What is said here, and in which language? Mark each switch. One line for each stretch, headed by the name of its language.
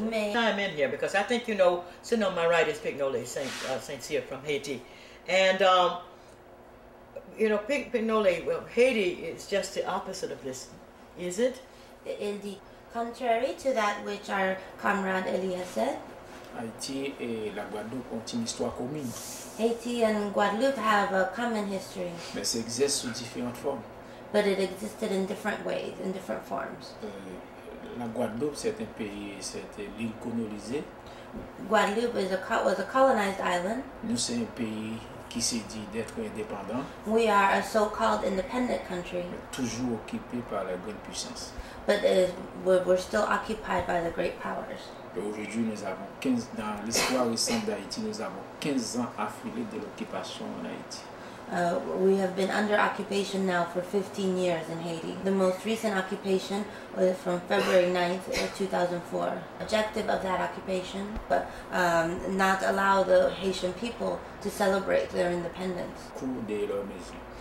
English: I'm in here because I think you know, sitting on my right is FIgnole Saint-Cyr from Haiti. And, you know, FIgnole, well, Haiti is just the opposite of this, is it? Indeed. Contrary to that which our comrade Elie said,
French: Haiti et la Guadeloupe ont une histoire commune.
English: Haiti and Guadeloupe have a common history.
French: Mais ça existe sous différentes formes.
English: But it existed in different ways, in different forms.
French: La Guadeloupe, c'est un pays, c'est une île colonisée.
English: Guadeloupe was a colonized island.
French: Nous c'est un pays qui s'est dit d'être indépendant.
English: We are a so-called independent country.
French: Mais toujours occupé par la grande puissance.
English: But we're still occupied by the great powers.
French: Aujourd'hui, nous avons 15, dans l'histoire récente d'Haïti, nous avons 15 ans affilés de l'occupation en Haïti.
English: We have been under occupation now for 15 years in Haiti. The most recent occupation was from February 9th, 2004. Objective of that occupation, but not allow the Haitian people to celebrate their independence.
French: Coup de leur maison.